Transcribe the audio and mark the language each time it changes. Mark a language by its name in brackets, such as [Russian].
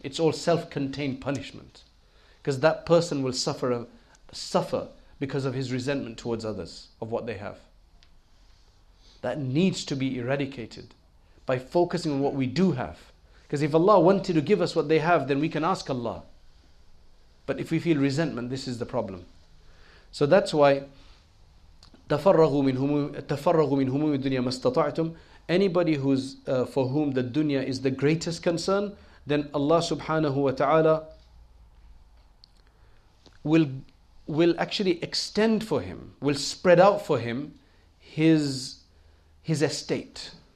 [English] It's all self-contained punishment. Because that person will suffer because of his resentment towards others, of what they have. That needs to be eradicated by focusing on what we do have. Because if Allah wanted to give us what they have, then we can ask Allah. But if we feel resentment, this is the problem. So that's why, [Arabic] تَفَرَّغُوا مِنْ هُمُومِ الدُّنْيَا مَا اسْتَطَعْتُمْ. [English] Anybody who's for whom the dunya is the greatest concern, then Allah subhanahu wa ta'ala will actually extend for him, will spread out for him his estate.